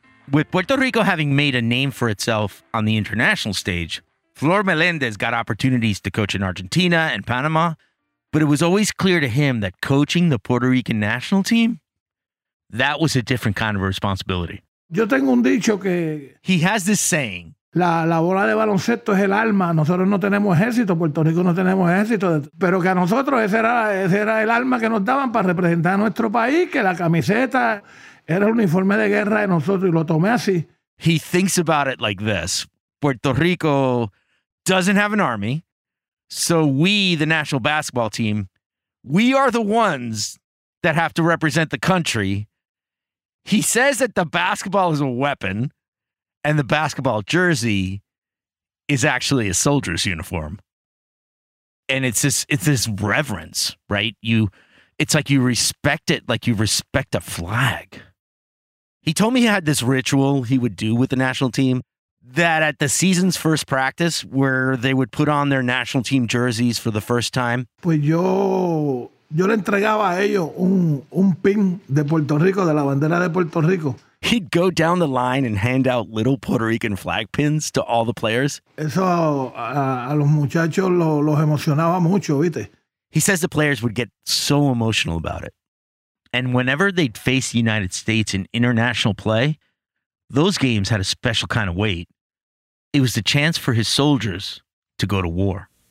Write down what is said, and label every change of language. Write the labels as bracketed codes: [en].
[en] With Puerto Rico having made a name for itself on the international stage, Flor Meléndez got opportunities to coach in Argentina and Panama, but it was always clear to him that coaching the Puerto Rican national team, that was a different kind of a responsibility. [es] Yo tengo un dicho que... [en] He has this saying. [es] La bola de baloncesto es el alma. Nosotros no tenemos ejército, Puerto Rico no tenemos ejército. Pero que a nosotros ese era el alma que nos daban para representar a nuestro país, que la camiseta era el uniforme de guerra de nosotros y lo tomé así. [en] He thinks about it like this. Puerto Rico doesn't have an army, so we, the national basketball team, we are the ones that have to represent the country. He says that the basketball is a weapon. And the basketball jersey is actually a soldier's uniform. And it's this reverence, right? It's like you respect it like you respect a flag. He told me he had this ritual he would do with the national team, that at the season's first practice, where they would put on their national team jerseys for the first time. [es] Pues yo le entregaba a ellos un pin de Puerto Rico, de la bandera de Puerto Rico. [en] He'd go down the line and hand out little Puerto Rican flag pins to all the players. [es] Eso a los muchachos los emocionaba mucho, ¿viste? [en] He says the players would get so emotional about it. And whenever they'd face the United States in international play, those games had a special kind of weight. It was the chance for his soldiers to go to war.